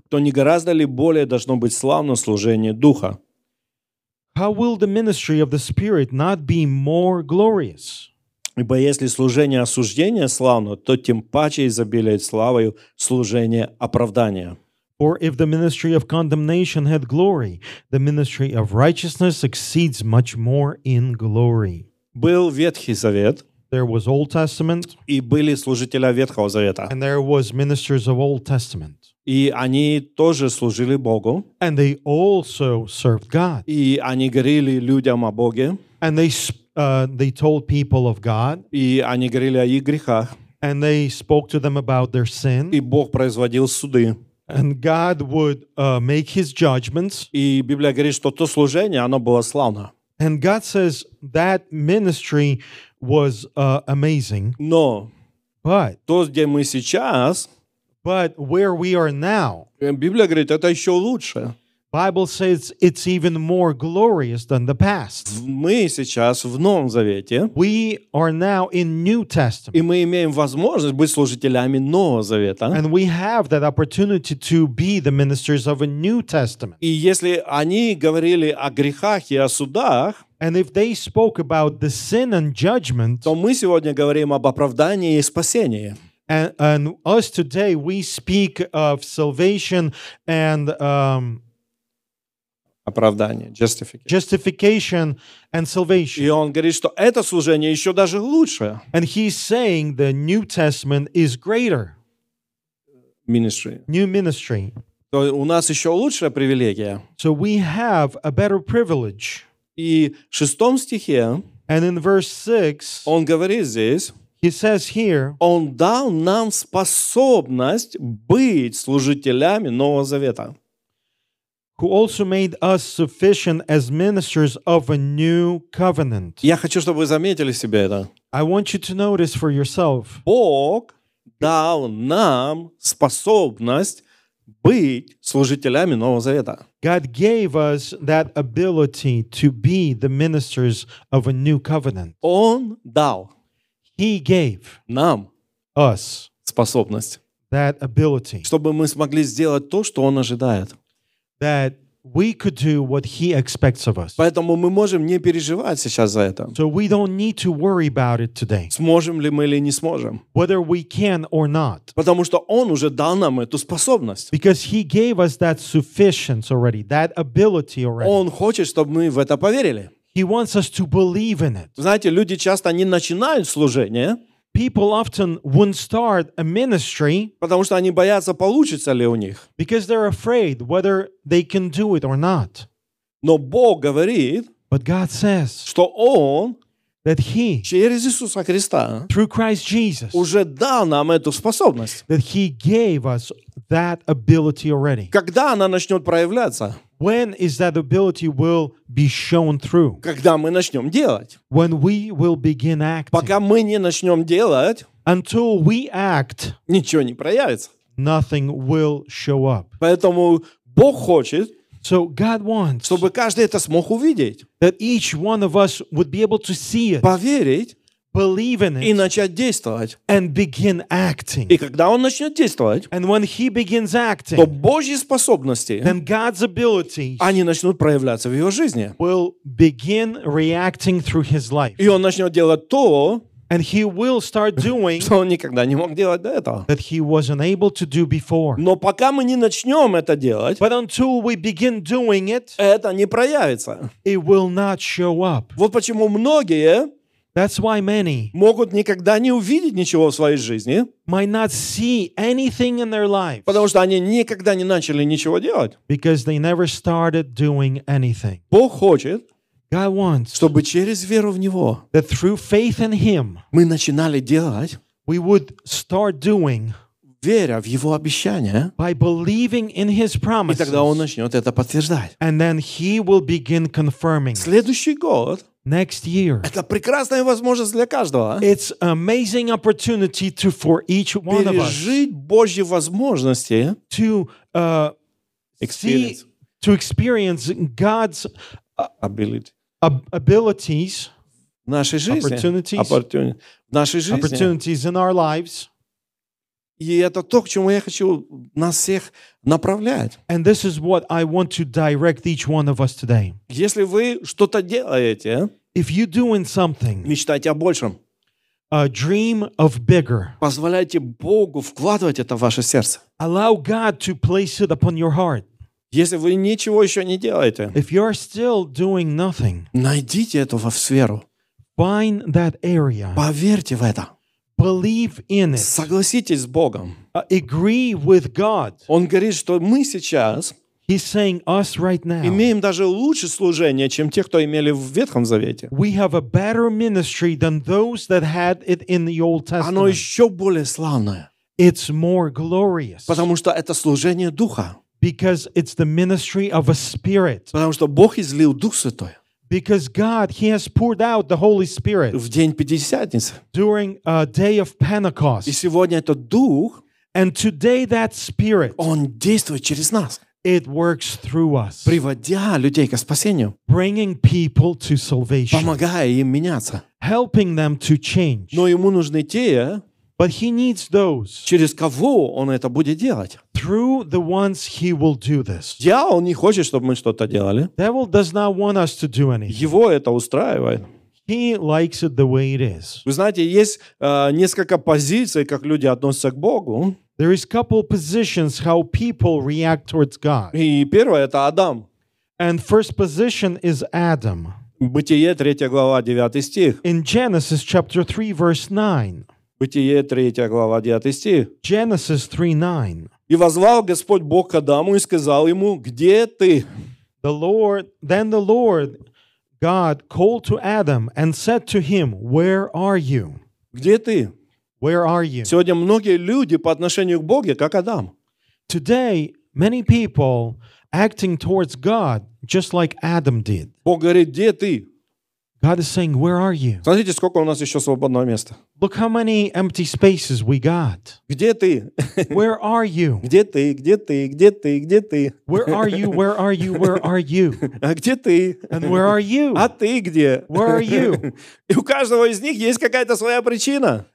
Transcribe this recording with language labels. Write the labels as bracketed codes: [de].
[ru] То не гораздо ли более должно быть славно служение Духа? [en] How will the ministry of the Spirit not be more glorious? [ru] Ибо если служение осуждения славно, то тем паче изобилует славою служение оправдания. [en] Or if the ministry of condemnation had glory, the ministry of righteousness exceeds much more in glory. [ru] Был Ветхий Завет. [en] There was Old Testament. [ru] И были служители Ветхого Завета. [en] And there was ministers of Old Testament. [ru] И они тоже служили Богу. [en] And they also served God. [ru] И они говорили людям о Боге. [en] And they told people of God. [ru] И они говорили о их грехах. [en] And they spoke to them about their sin. [ru] И Бог производил суды. [en] And God would make his judgments. [ru] И Библия говорит, что то служение, оно было славно. [en] And God says that ministry was amazing. [ru] Но [en] but, [ru] то, где мы сейчас, [en] but where we are now, [ru] Библия говорит, это еще лучше. [en] Bible says it's even more glorious than the past. [ru] Мы сейчас в Новом Завете. [en] We are now in New Testament. [ru] И мы имеем возможность быть служителями Нового Завета. [en] And we have that opportunity to be the ministers of a New Testament. [ru] И если они говорили о грехах и о судах, [en] and if they spoke about the sin and judgment, [ru] то мы сегодня говорим об оправдании и спасении. [en] And us today we speak of salvation and [ru] оправдание, [en] justification and salvation. [ru] И он говорит, что это служение еще даже лучше. [en] And he's saying the New Testament is greater. Ministry. New ministry. [ru] То у нас еще лучшая привилегия. [en] So we have a better privilege. [ru] И в шестом стихе. [en] And in verse 6. [ru] Он говорит здесь. [en] He says here. [ru] Он дал нам способность быть служителями Нового Завета. [en] Who also made us sufficient as ministers of a new covenant. [ru] Я хочу, чтобы вы заметили себе это. [en] I want you to notice for yourself. [ru] Бог дал нам способность быть служителями Нового Завета. [en] God gave us that ability to be the ministers of a new covenant. [ru] Он дал. [en] He gave [ru] нам [en] us [ru] способность. [en] That ability. [ru] Чтобы мы смогли сделать то, что Он ожидает. [en] That we could do what he expects of us. [ru] Поэтому мы можем не переживать сейчас за это. [en] So we don't need to worry about it today. [ru] Сможем ли мы или не сможем. [en] Whether we can or not. [ru] Потому что он уже дал нам эту способность. [en] Because he gave us that sufficiency already, that ability already. [ru] Он хочет, чтобы мы в это поверили. [en] He wants us to believe in it. [ru] Знаете, люди часто не начинают служение. [en] People often won't start a ministry. [ru] Потому что они боятся, получится ли у них. [en] Because they're afraid whether they can do it or not. [ru] Но Бог говорит, [en] but God says, [ru] что Он, [en] that He, [ru] через Иисуса Христа, [en] through Christ Jesus, [ru] уже дал нам эту способность. [en] That He gave us that ability already. [ru] Когда она начнет проявляться? [en] When is that ability will be shown through? [ru] Когда мы начнем делать? [en] When we will begin acting. [ru] Пока мы не начнем делать, [en] until we act, [ru] ничего не проявится. [en] Nothing will show up. [ru] Поэтому Бог хочет, [en] so God wants, [ru] чтобы каждый это смог увидеть, [en] that each one of us would be able to see it, [ru] поверить, [en] believe in it, [ru] и начать действовать, [en] and begin acting. [ru] И когда он начнет действовать, [en] and when he begins acting, [ru] то Божьи способности, [en] then God's ability, [ru] они начнут проявляться в его жизни, [en] will begin reacting through his life. [ru] И он начнет делать то, [en] and he will start doing, [ru] что он никогда не мог делать до этого, [en] that he wasn't able to do before. [ru] Но пока мы не начнем это делать, [en] but until we begin doing it, [ru] это не проявится, [en] it will not show up. [ru] Вот почему многие, [en] that's why many, [ru] могут никогда не увидеть ничего в своей жизни, [en] might not see anything in their lives, [ru] потому что они никогда не начали ничего делать, [en] because they never started doing anything. [ru] Бог хочет, [en] God wants, [ru] чтобы через веру в Него, [en] that through faith in Him, [ru] мы начинали делать, [en] we would start doing, [ru] веря в Его обещания, [en] by believing in His promises, [ru] и тогда Он начнет это подтверждать. [en] And then He will begin confirming. [ru] Следующий год, [en] next year. [ru] Это прекрасная возможность для каждого. [en] It's amazing opportunity to for each one of us. [ru] Пережить Божьи возможности. [en] To experience. See, to experience God's abilities. [ru] В нашей жизни. [en] Opportunities. [ru] В нашей жизни. [en] Opportunities in our lives. [ru] И это то, к чему я хочу нас всех направлять. [en] And this is what I want to direct each one of us today. [ru] Если вы что-то делаете, [en] if you're doing something, [ru] мечтайте о большем. [en] A dream of bigger. [ru] Позволяйте Богу вкладывать это в ваше сердце. [en] Allow God to place it upon your heart. [ru] Если вы ничего еще не делаете, [en] if you're still doing nothing, [ru] найдите это во сферу. [en] Find that area. [ru] Поверьте в это. [en] Believe in it. [ru] Согласитесь с Богом. [en] Agree with God. [ru] Он говорит, что мы сейчас, [en] he's saying us right now, [ru] имеем даже лучше служение, чем те, кто имели в Ветхом Завете. [en] We have a better ministry than those that had it in the Old Testament. [ru] Оно еще более славное. [en] It's more glorious. [ru] Потому что это служение Духа. [en] Because it's the ministry of a spirit. [ru] Потому что Бог излил Дух Святой. [en] Because God, He has poured out the Holy Spirit [ru] в день Пятидесятницы. [en] During a day of Pentecost. [ru] И сегодня этот Дух, [en] and today that Spirit, [ru] Он действует через нас. [en] It works through us. [ru] Приводя людей ко спасению. [en] Bringing people to salvation. [ru] Помогая им меняться. [en] Helping them to change. [ru] Но ему нужны те, [en] but he needs those. [ru] Через кого он это будет делать? [en] Through the ones he will do this. [ru] Дьявол не хочет, чтобы мы что-то делали. [en] Devil does not want us to do anything. [ru] Его это устраивает. [en] He likes it the way it is. [ru] Вы знаете, есть несколько позиций, как люди относятся к Богу. [en] There is a couple positions how people react towards God. [ru] И первое это Адам. [en] And first position is Adam. [ru] Бытие 3 глава 9 стих. [en] In Genesis chapter 3 verse 9. [ru] Бытие 3 глава 9 стих. [en] Genesis 3:9. [ru] И возвал Господь Бог к Адаму и сказал ему: "Где ты?" [en] Then the Lord God called to Adam and said to him, "Where are you?" [ru] Где ты? [en] Where are you? [ru] Сегодня многие люди по отношению к Богу как Адам. [en] Today many people acting towards God just like Adam did. [ru] Бог говорит: "Где ты?" [en] God is saying, "Where are you?" [ru] Смотрите, сколько у нас ещё свободного места. [en] Look how many empty spaces we got. [ru] Где ты? [en] Where are you? [ru] Где ты? Где ты? Где ты? Где ты? [en] Where are you? Where are you? Where are you? [ru] А где ты? [en] And where are you? [ru] А ты где? [en] Where are you? [ru] И у каждого из них есть какая-то своя причина.